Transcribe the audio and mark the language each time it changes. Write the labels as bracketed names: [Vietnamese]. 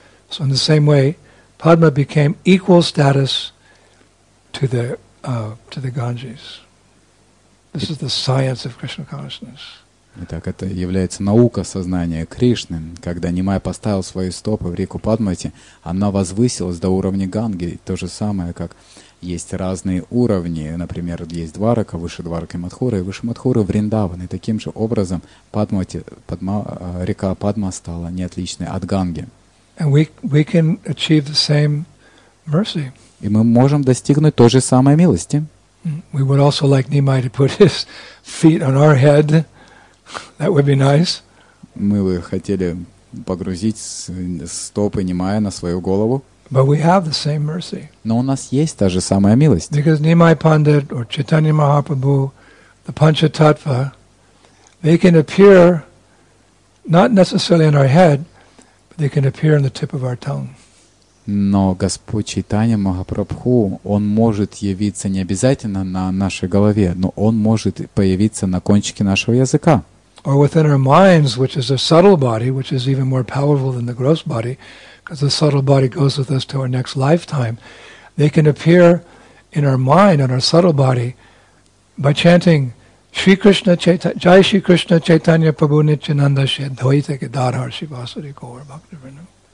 [English] So in the same way, Padma became equal status to the Ganges. This is the science of Krishna consciousness. [Russian] Итак, это является наука сознания Кришны. Когда Нимай поставил свои стопы в реку Падмати, она возвысилась до уровня Ганги. То же самое, как есть разные уровни. Например, есть Дварака, выше Дварака и Мадхура, и выше Мадхура Вриндаван. И таким же образом река Падма стала неотличной от Ганги. [English] And we can achieve the same mercy. [Russian] И мы можем достигнуть той же самой милости. [English] We would also like Nimai to put his feet on our head. That would be nice. [Russian] Мы бы хотели погрузить стопы Нимая на свою голову. [English] But we have the same mercy. [Russian] Но у нас есть та же самая милость. [English] Because Nimai Pandit or Chaitanya Mahaprabhu, the Panchatattva, they can appear not necessarily on our head, but they can appear on the tip of our tongue. [Russian] Но Господь Чайтанья Махапрабху, Он может явиться не обязательно на нашей голове, но Он может появиться на кончике нашего языка. [English] Or within our minds, which is a subtle body, which is even more powerful than the gross body, because the subtle body goes with us to our next lifetime, they can appear in our mind, in our subtle body, by chanting, Shri Krishna Jai Shri Krishna Chaitanya Prabhu Nityananda Shri Advaita Gadadhar Shri Vasudeva Gaur Bhaktivinoda.